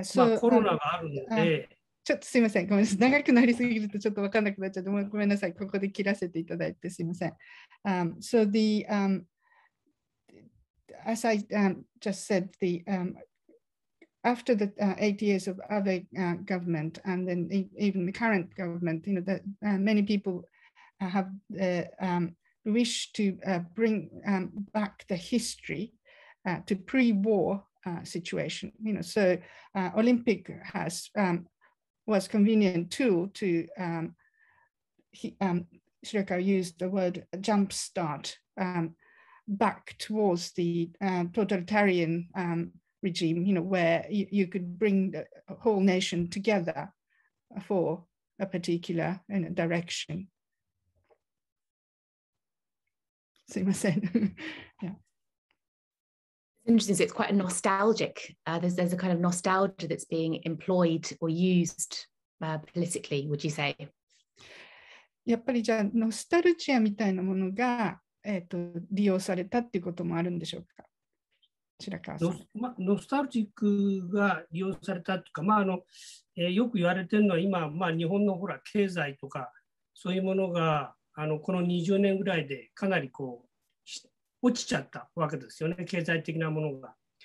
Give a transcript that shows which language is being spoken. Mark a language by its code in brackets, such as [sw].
[ja] so, まあ、コロナがあるので。ちょっとすみません、ごめんなさい。長くなりすぎるとちょっと分かんなくなっちゃって、ごめんなさい。ここで切らせていただいてすみません。 [en] So the, as I just said, the, after the 8 years of Abe government and then even the current government, you know, that many people have the wish to bring back the history to pre-war situation. You know, so Olympic has was convenient tool to Shirakawa used the word jumpstart back towards the totalitarian regime, you know, where you could bring the whole nation together for a particular direction. Sumasen. Yeah. It's interesting. So it's quite a nostalgic. There's a kind of nostalgia that's being employed or used politically, would you say? [ja] やっぱりじゃあノスタルジアみたいなものが、利用されたっていうこともあるんでしょうか、白川さん。ノスタルジックが利用されたというか、まあよく言われてるのは今、まあ、日本のほら経済とかそういうものがこの20年ぐらいでかなりこう落ちちゃったわけですよね、経済的なものが。